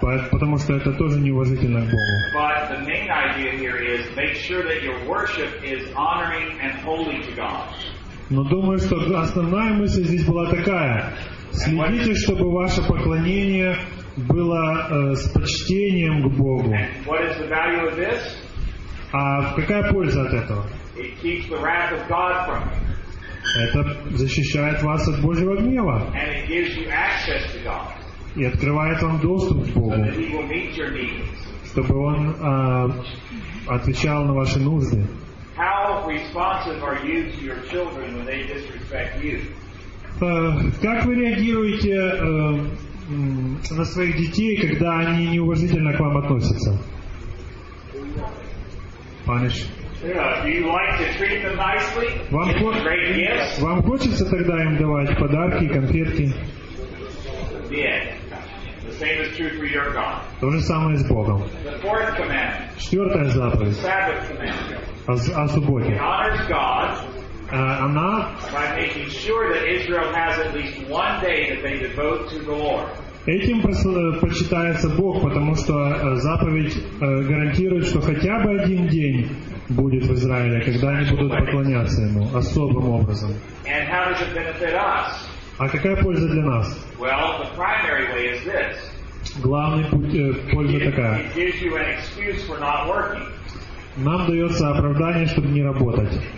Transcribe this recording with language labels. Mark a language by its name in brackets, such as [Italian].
[Russian] Потому что это тоже неуважительно к Богу. Но думаю, что основная мысль здесь была такая. Следите, чтобы ваше поклонение было с почтением к Богу. [English] What is the value of this? [Russian] А какая польза от этого? [English] It keeps the wrath of God from you. [Russian] Это защищает вас от Божьего гнева. [English] And it gives you access to God. [Russian] И открывает вам доступ к Богу. [English] So that he will meet your needs. [Russian] Чтобы Он отвечал на ваши нужды. [English] How responsive are you to your children when they disrespect you? [Russian] Как вы реагируете на своих детей, когда они неуважительно к вам относятся? [English] Punish. Do you like to treat them nicely? [Russian] Вам хочется тогда им давать подарки, конфетки? [English] Yeah. The same is true for your God. [Russian] То же самое с Богом. [English] The fourth command. [Russian] Четвертая заповедь. [English] The Sabbath command. [Russian] О субботе. [English] It honors God. [Russian] Она [English] by making sure that Israel has at least one day that they devote to the Lord. [Russian] Этим почитается Бог, потому что заповедь гарантирует, что хотя бы один день будет в Израиле, когда они будут поклоняться Ему особым образом. [English] And how does it benefit us? [Russian] А какая польза для нас? [English] Well, the primary way is this. [Russian] Главный путь, польза такая. [English] It gives you an excuse for not working. [Russian] Нам дается оправдание, чтобы не работать.